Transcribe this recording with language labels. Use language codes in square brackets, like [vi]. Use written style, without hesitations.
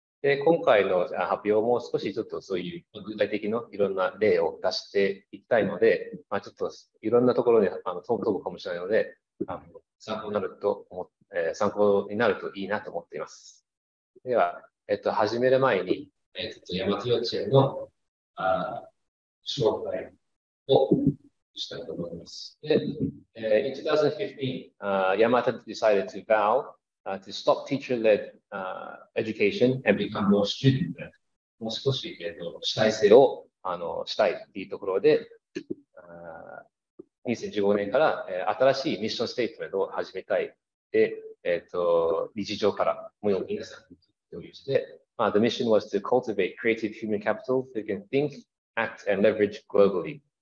[ja] で今回の発表も少しちょっとそういう具体的ないろんな例を出していきたいので、まあ、ちょっといろんなところに飛ぶかもしれないので、参考になるといいなと思っています。では、始める前に、大和幼稚園の紹介をしたいと思います。 [en] In 2015, Yamato decided to vow. To stop teacher-led education and become more student-led. [ja] もう少し、主体性をしたいというところで、2015年から、新しいミッションステートメントを始めたい。で、理事長からもよく皆さんに共有して、 [en] The mission was to cultivate creative human capital that can think, act, and leverage globally.